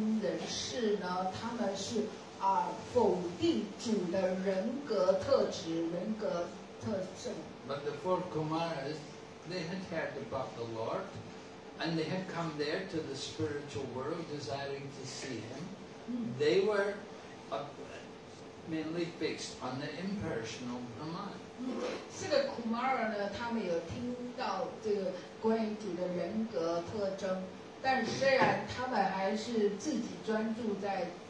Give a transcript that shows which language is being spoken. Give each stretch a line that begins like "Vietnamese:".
Chinese: 这个假象宗人士呢，他们是。
English: But the four Kumaras, they had heard about the Lord, and they had come there to the spiritual world desiring to see Him. They were mainly fixed on the impersonal Brahman.
Chinese: 四个Kumara呢，他们有听到这个关于主的人格特征，但虽然他们还是自己专注在。